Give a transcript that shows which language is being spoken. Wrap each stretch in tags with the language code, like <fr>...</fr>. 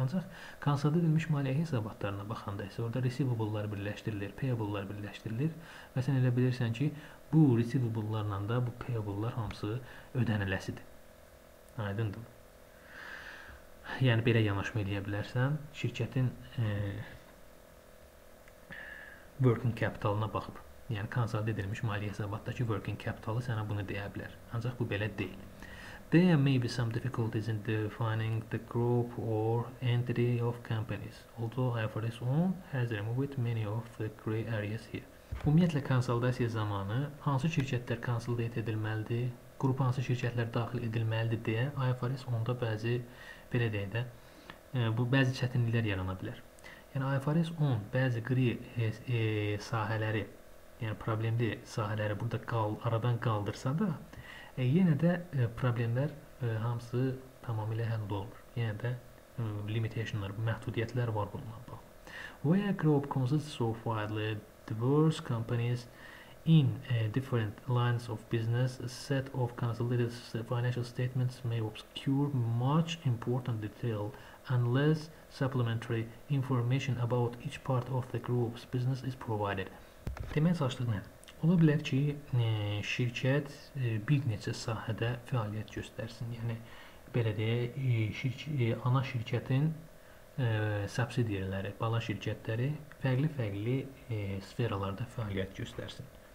<az>Ancaq kansada edilmiş maliyyə hesabatlarına baxanda isə orada receivable-lar birləşdirilir, payable-lar birləşdirilir və sən elə bilirsən ki, bu receivable-larla da bu payable-lar hamısı ödəniləsidir. Aydındır. Yəni, belə yanaşma eləyə bilərsən, şirkətin working capitalına baxıb. Yəni, kansada edilmiş maliyyə hesabatdakı working capitalı sənə bunu deyə bilər. Ancaq bu belə deyil.</az> <en>There may be some difficulties in defining the group or entity of companies, although IFRS 10 has removed many of the grey areas here.</en> <az>Ümumiyyətlə, konsolidasiya zamanı hansı şirkətlər konsolidat edilməlidir, qrup hansı şirkətlər daxil edilməlidir deyə IFRS 10-da bəzi, belə deyək də, bu bəzi çətinliklər yarana bilər. Yəni, IFRS 10 bəzi grey sahələri, yəni problemli sahələri burada aradan qaldırsa da, yenə də problemlər hamısı tamamilə həll olur. Yenə də limitationlar, məhdudiyyətlər var bununla bağlı.</az> <en>Where group consists of widely diverse companies in different lines of business, a set of consolidated financial statements may obscure much important detail unless supplementary information about each part of the group's business is provided.</en> <az>Demək çalışdıq nədir? Ola bilər ki, şirkət bir neçə sahədə fəaliyyət göstərsin. Yəni, belə deyə, ana şirkətin subsidiyaları, bala şirkətləri fərqli-fərqli sferalarda fəaliyyət göstərsin.</az>